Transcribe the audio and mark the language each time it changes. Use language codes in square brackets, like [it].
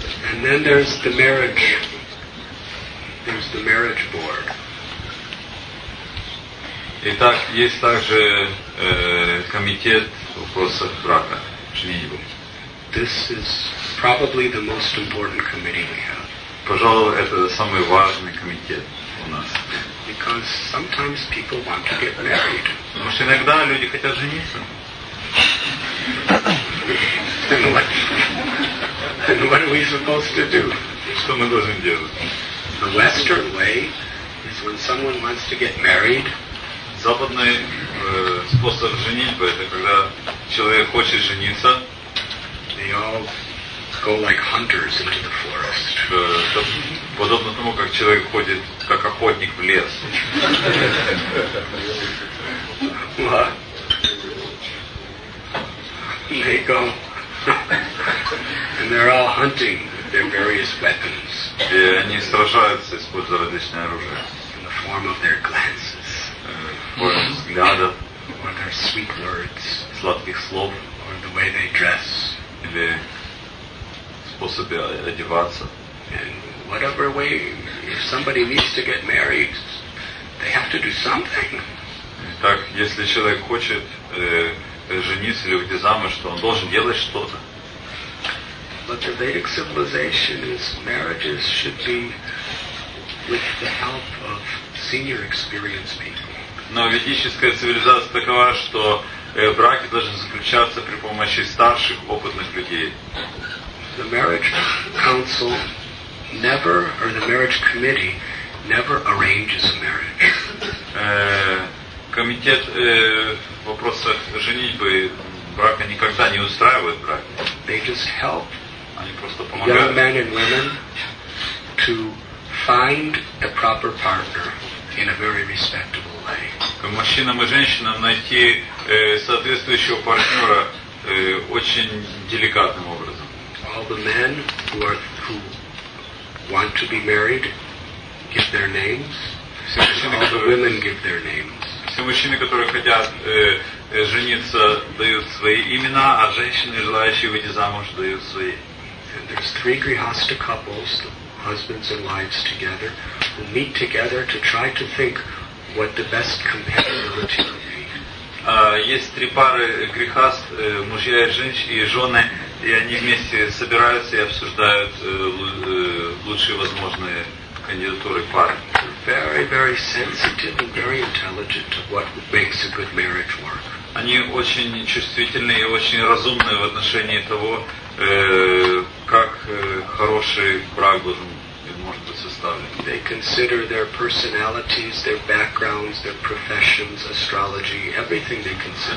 [en] And then there's the marriage. There's the marriage board. [ru] Итак, есть также комитет вопросов брака, женитьбы. [en] This is probably the most important committee we have. [ru] Пожалуй, это самый важный комитет. [en] Because sometimes people want to get married. [ru] Потому что иногда люди хотят жениться. [en] And what are we supposed to do? [ru] Что мы должны делать? [en] The Western way is when someone wants to get married. [ru] Западный способ женитьбы это когда человек хочет жениться. [en] They all go like hunters into the forest. [ru] Подобно тому, как человек ходит как охотник в лес. [en] They go and they're all hunting with their various weapons. [ru] И они сражаются, используя различные оружия. [en] In the form of their glances. [ru] Форма взглядов. [en] Or their sweet words. [ru] Сладких слов. [en] Or the way they dress. [ru] Или способы одеваться. [en] And whatever way, if somebody needs to get married, they have to do something. [ru] Так, если человек хочет жениться или выйти замуж, то он должен делать что-то. [en] But the Vedic civilization is marriages should be with the help of senior experienced people. [ru] Но ведическая цивилизация такова, что браки должны заключаться при помощи старших опытных людей. [en] The marriage council never, or the marriage committee never arranges a marriage. [ru] Комитет в вопросах женитьбы брака никогда не устраивает брак. [en] They just help. [ru] Они просто помогают. [en] Young men and women to find the proper partner in a very respectable way. [ru] Мужчинам и женщинам найти соответствующего партнера очень деликатным образом. [en] All the men who want to be married give their names. All the women give their names. [ru] Все мужчины, которые хотят жениться, дают свои имена, а женщины, желающие выйти замуж, дают свои. [en] there's three grihastha couples, the husbands and wives together, who meet together to try to think what the best compatibility would be. [ru] Есть три пары грихаст, мужья и жены, и они вместе собираются и обсуждают лучшие возможные кандидатуры пары. [en] Very, very sensitive and very intelligent to what makes a good marriage work. [ru] Они очень чувствительны и очень разумны в отношении того, как хороший брак должен может быть составлен. [en] They consider their personalities, their backgrounds, their professions, astrology, everything they consider.